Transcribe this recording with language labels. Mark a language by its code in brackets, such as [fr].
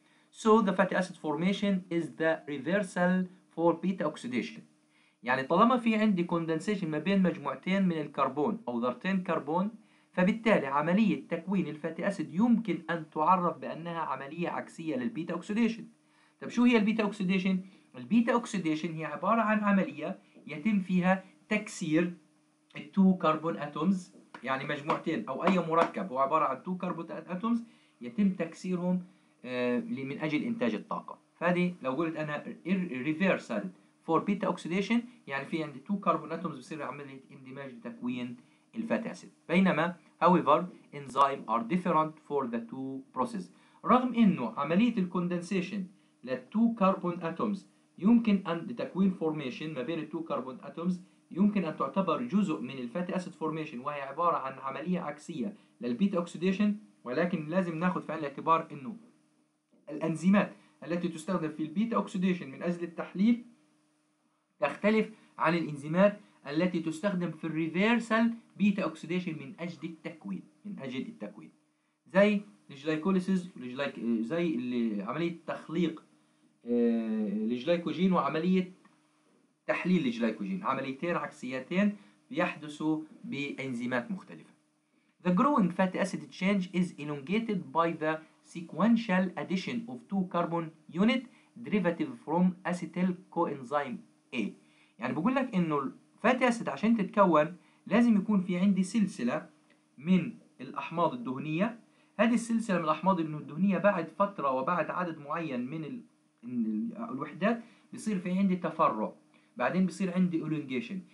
[en] So the fatty acid formation is the reversal for beta oxidation. [ar] يعني طالما في عندي condensation ما بين مجموعتين من الكربون أو ذرتين كربون، فبالتالي عملية تكوين الفاتي أسيد يمكن أن تعرف بأنها عملية عكسية للبيتا أكسيديشن. طب شو هي البيتا أكسيديشن؟ البيتا أكسيديشن هي عبارة عن عملية يتم فيها تكسير التو كربون أتومز، يعني مجموعتين أو أي مركب هو عبارة عن تو كربون أتومز يتم تكسيرهم من أجل إنتاج الطاقة. فهذه لو قلت أنا [en] reversal for beta oxidation، [ar] يعني في عندي [en] 2 carbon atoms [ar] بصير عملية اندماج لتكوين الفاتاسيد. بينما [en] however enzymes are different for the two processes. [ar] رغم انه عملية الكوندنسيشن للتو كربون اتومز يمكن ان لتكوين فورميشن ما بين التو كربون اتومز يمكن ان تعتبر جزء من الفاتي اسيد فورميشن وهي عبارة عن عملية عكسية للبيتا اوكسيديشن، ولكن لازم ناخد في عين الاعتبار انه الانزيمات التي تستخدم في البيتا اوكسيديشن من اجل التحليل تختلف عن الانزيمات التي تستخدم في الريفيرسال بيتا اوكسيديشن من اجل التكوين، زي الجلايكوليسيس زي عملية تخليق الجلايكوجين وعملية تحليل الجلايكوجين، عمليتين عكسيتين يحدثوا بانزيمات مختلفة. [en] The growing fatty acid change is elongated by the sequential addition of two carbon unit derivative from acetyl coenzyme A. [ar] يعني بقول لك انه الفاتي اسيد عشان تتكون لازم يكون في عندي سلسلة من الاحماض الدهنية. هذه السلسلة من الاحماض الدهنية بعد فترة وبعد عدد معين من الوحدات بيصير في عندي تفرع، بعدين بيصير عندي elongation.